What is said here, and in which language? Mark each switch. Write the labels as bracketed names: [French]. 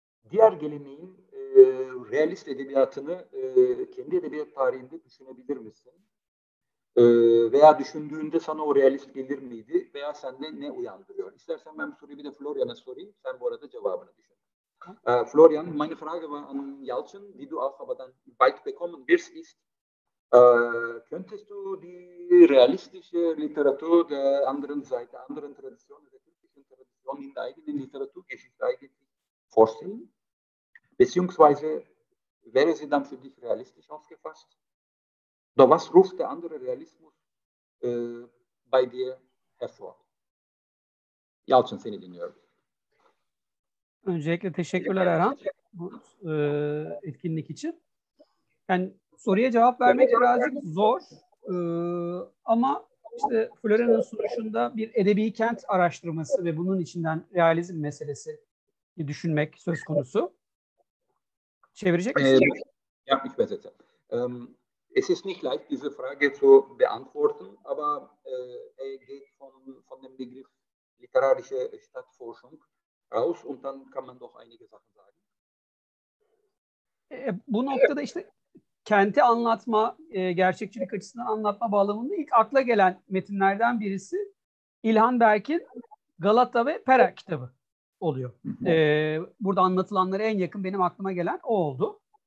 [Turkish] Diğer geleneğin realist edebiyatını kendi edebiyat tarihinde düşünebilir misin? Veya düşündüğünde sana o realist gelir miydi? Veya sende ne uyandırıyor? İstersen ben bu soruyu bir de Florian'a sorayım. Sen bu arada cevabını düşün. [German] Florian, meine Frage war an Yalçın, die du auch aber dann bald bekommen wirst, ist, könntest du die realistische Literatur der anderen Seite, anderen Traditionen, der türkischen Tradition in der eigenen Literaturgeschichte eigentlich vorstellen? Beziehungsweise wäre sie dann für dich realistisch aufgefasst? Oder was ruft der andere Realismus bei dir hervor? [Turkish] Yalçın, seni dinliyorum. Öncelikle teşekkürler Erhan bu etkinlik için. Yani soruya cevap vermek birazcık zor. Ama işte Florian'ın sunuşunda bir edebi kent araştırması ve bunun içinden realizm meselesi düşünmek söz konusu. Çevirecek misin? Yapmış bezete. [German] Es ist nicht leicht diese Frage zu beantworten, aber geht von dem Begriff literarische Stadtforschung raus und dann kann man doch einige Sachen sagen. [Turkish] Bu noktada işte kenti anlatma, gerçekçilik açısından anlatma bağlamında ilk akla gelen metinlerden birisi İlhan Berk'in Galata ve Pera kitabı oluyor. Burada anlatılanlara en yakın benim aklıma gelen o oldu.